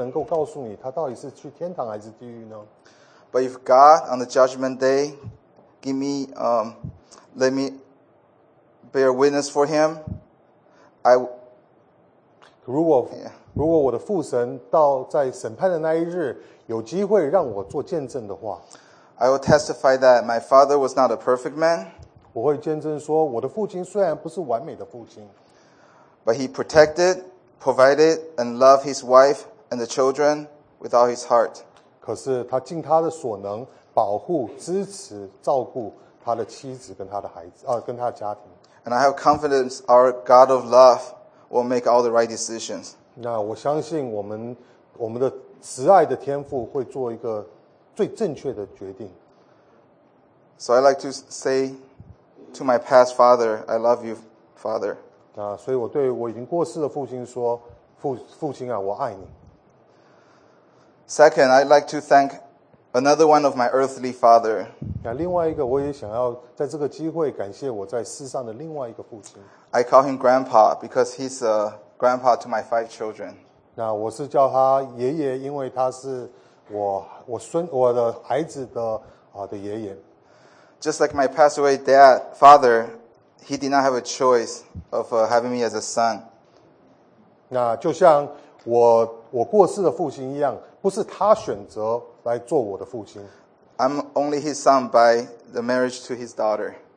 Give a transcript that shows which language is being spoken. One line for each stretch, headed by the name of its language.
Chinese: 那我回答他说，我真的不能够告诉你他到底是去天堂还是地狱呢？
English: But if God on the judgment day give me, let me bear witness for him, I Yeah.
Chinese: 如果我的父神到在审判的那一日有机会让我做见证的话，
English: I will testify that my father was not a perfect man.
Chinese: 我会见证说我的父亲虽然不是完美的父亲，
English: but he protected, provided, and loved his wife and the children with all his heart.
Chinese: 可是他尽他的所能保护、支持、照顾他的妻子跟他的孩子，跟他的家庭。
English: And I have confidence our God of love will make all the right decisions.
Chinese: 那我相信我们的慈爱的天父会做一个最正确的决定。
English: So I'd like to say to my past father, I love you, father.
Chinese: 所以我对我已经过世的父亲说，父亲啊，我爱你。
English: Second, I'd like to thank another one of my earthly father.
Chinese: 另外一个我也想要在这个机会感谢我在世上的另外一个父亲。
English: I call him grandpa because he's a grandpa to my 5 children.
Chinese: 那我是叫他爷爷，因为他是我的孩子的爷爷。
English: Just like my passed away dad, father, he did not have a choice of having me as a son.
Chinese: 那就像我过世的父亲一样。不是他选择来做我的父亲。
English: I'm only his son by the marriage to his daughter.